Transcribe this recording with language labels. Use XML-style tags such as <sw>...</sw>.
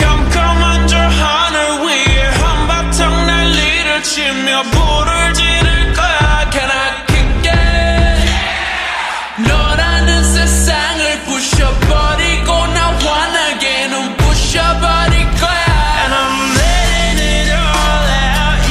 <en>Come, come on, your honor, we're</en> <ko>한바탕 난리를 치며 불을 지를 거야.</ko> <en>Can I kick it?</en> <ko>너라는 세상을 부셔버리고 나 환하게 눈 부셔버릴 거야.</ko> <en>And I'm letting it all out.</en>